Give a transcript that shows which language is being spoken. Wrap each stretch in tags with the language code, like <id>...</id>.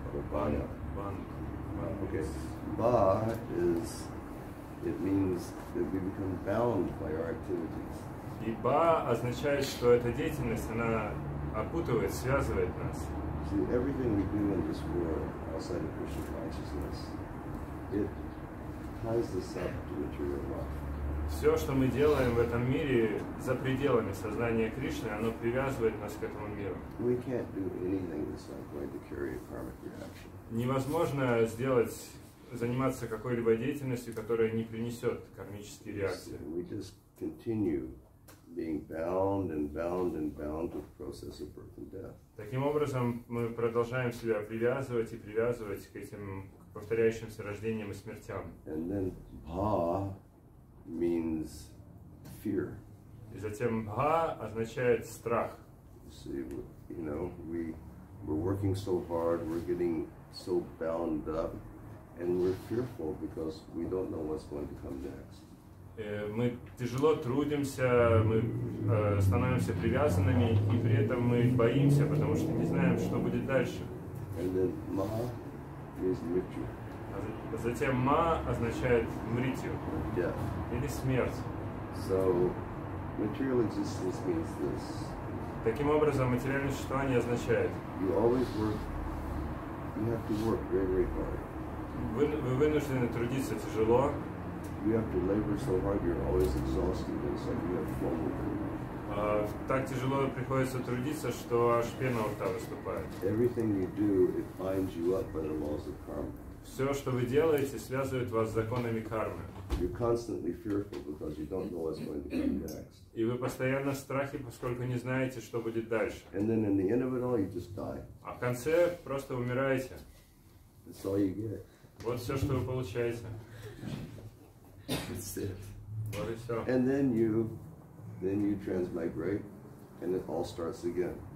<en>Ба is it means that we become bound by our activities.</en> <ru>И ба означает, что эта деятельность она окутывает, связывает нас.</ru> <en>See, everything we do in this world outside of Krishna consciousness, it ties us up to material life.</en> <ru>Все, что мы делаем в этом мире за пределами сознания Кришны, оно привязывает нас к этому миру.</ru> <en>We can't do anything that's not going to carry a karmic reaction.</en> <ru>Невозможно сделать, заниматься какой-либо деятельностью, которая не принесет кармические реакции.</ru> <en>We just continue being bound and bound and bound to the process of birth and death.</en> <ru>Таким образом, мы продолжаем себя привязывать и привязывать к этим повторяющимся рождениям и смертям.</ru> <en>And then bha means fear.</en> <ru>И затем bha означает страх.</ru> <en>You see, you know, we're working so hard, we're getting so bound up, and we're fearful because we don't know what's going to come next.</en> <ru>Мы тяжело трудимся, мы становимся привязанными, и при этом мы боимся, потому что не знаем, что будет дальше.</ru> <en>And then ma is mrityu.</en> <ru>Затем ma означает мритью, или смерть.</ru> <en>So material existence means this.</en> <ru>Таким образом, материальное существование означает.</ru> <en>You always work. You have to work very, very hard.</en> <ru>Вы вынуждены трудиться тяжело.</ru> <en>You have to labor so hard, you're always exhausted, and so you have foam in your mouth.</en> <ru>Так тяжело приходится трудиться, что аж пена у рта выступает.</ru> <en>Everything you do, it binds you up by the laws of karma.</en> <ru>Все, что вы делаете, связывает вас с законами кармы.</ru> <en>You're constantly fearful because you don't know what's going to come next.</en> <ru>И вы постоянно в страхе, поскольку не знаете, что будет дальше.</ru> <en>And then in the end of it all, you just die.</en> <ru>А в конце просто умираете.</ru> <en>That's all you get.</en> <ru>Вот все, что вы получаете.</ru> <en>That's it.</en> <ru>Вот и все.</ru> <en>And then you transmigrate, and it all starts again.</en>